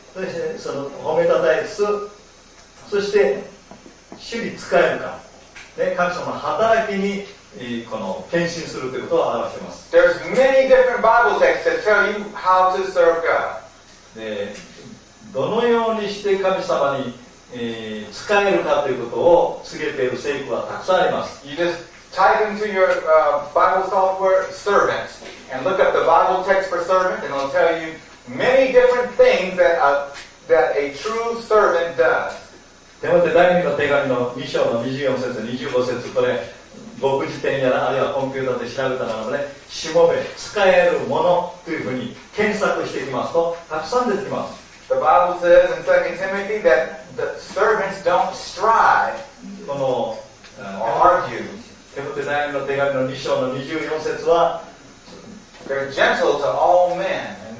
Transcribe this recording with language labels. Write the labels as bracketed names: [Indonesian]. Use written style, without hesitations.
[Japanese] そしてその褒めたたえつつ、そして主に仕えるか、ね、神様の働きにこの献身するということを表しています。 [English] There's many different Bible texts that tell you how to serve God. [Japanese] で、どのようにして神様に仕えるかということを告げている聖句はたくさんあります。 [English] You just type into your Bible software servant and look up the Bible text for servant and it'll tell youMany different things that a true servant does. [Japanese] テモテ第2の手紙の2章の24節、25節、これ、僕自身やら、あるいはコンピューターで調べたならばね、しもべ、使えるものというふうに検索していきますと、たくさん出てきます。 [English] The Bible says in 2 Timothy that the servants don't strive or argue. [Japanese] テモテ第2の手紙の2章の24節は、 [English] They're gentle to all men.